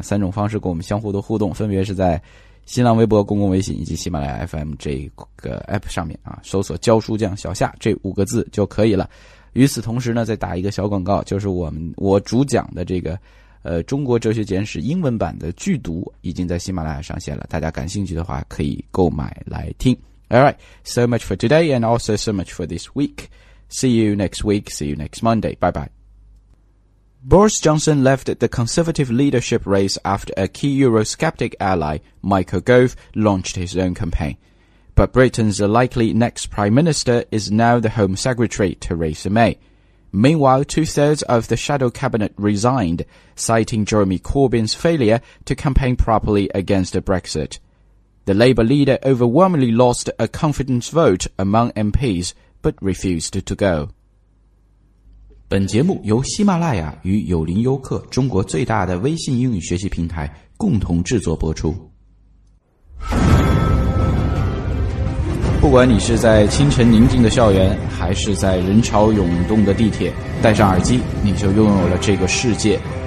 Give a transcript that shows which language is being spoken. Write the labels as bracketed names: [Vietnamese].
[Chinese] 三种方式跟我们相互的互动，分别是在新浪微博、公共微信以及喜马拉雅 FM 这个 APP 上面啊，搜索教书匠小夏这五个字就可以了。与此同时呢，再打一个小广告，就是我主讲的这个中国哲学简史英文版的剧读已经在喜马拉雅上线了，大家感兴趣的话可以购买来听。 [English] Alright, so much for today and also so much for this week. See you next week, see you next Monday, bye bye. Boris Johnson left the Conservative leadership race after a key Eurosceptic ally, Michael Gove, launched his own campaign. But Britain's likely next Prime Minister is now the Home Secretary, Theresa May. Meanwhile, two-thirds of the Shadow Cabinet resigned, citing Jeremy Corbyn's failure to campaign properly against Brexit. The Labour leader overwhelmingly lost a confidence vote among MPs, but refused to go. [Chinese] 本节目由喜马拉雅与有林优客中国最大的微信英语学习平台共同制作播出。不管你是在清晨宁静的校园，还是在人潮涌动的地铁，戴上耳机，你就拥有了这个世界。